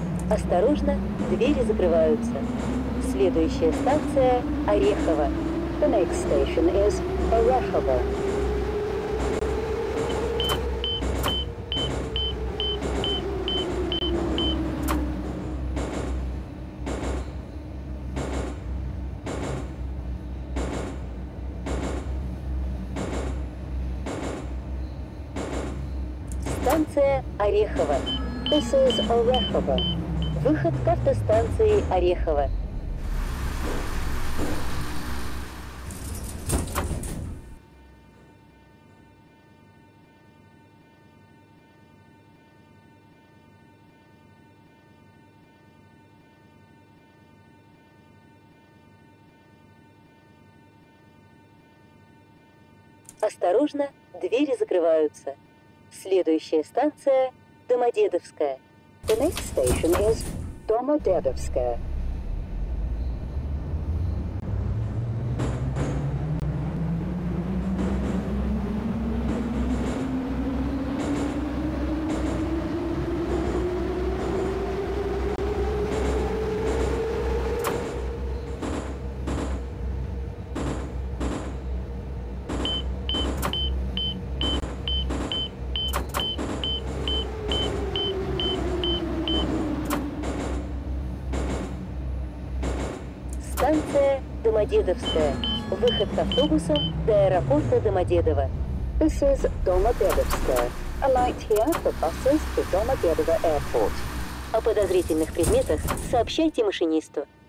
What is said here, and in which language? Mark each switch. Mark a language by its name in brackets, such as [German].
[Russian] Осторожно, двери закрываются. Следующая станция Орехово. [English] The next station is Орехово. [Russian] Станция Орехово. [English] This is Орехово. [Russian] Выход к автостанции Орехово. Осторожно, двери закрываются. Следующая станция – Домодедовская. [English] The next station is Домодедовская. [Russian] Станция Домодедовская. Выход с автобусом до аэропорта Домодедово. [English] This is Домодедовская. A light here for buses to Домодедово Airport. [Russian] О подозрительных предметах сообщайте машинисту.